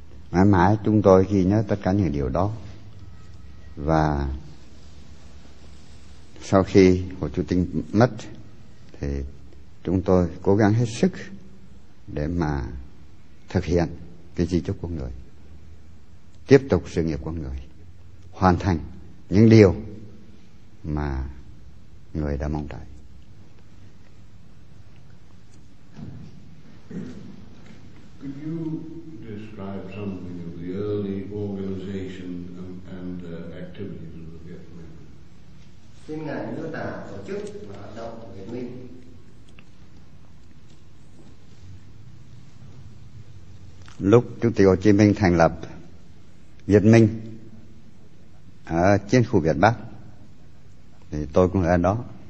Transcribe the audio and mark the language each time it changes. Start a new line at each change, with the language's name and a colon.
Vietnamese: Mãi mãi chúng tôi ghi nhớ tất cả những điều đó. Và sau khi Hồ Chí Minh mất, thì chúng tôi cố gắng hết sức để mà thực hiện cái di chúc của người, tiếp tục sự nghiệp của người, hoàn thành những điều mà người đã mong đợi.
English: Could you describe something of the early organization and activities of the Viet Minh?
Vietnamese: Xin ngài mô tả tổ chức và hoạt động của Việt Minh. Lúc Chủ tịch Hồ Chí Minh thành lập Việt Minh ở trên khu Việt Bắc, thì tôi cũng ở đó.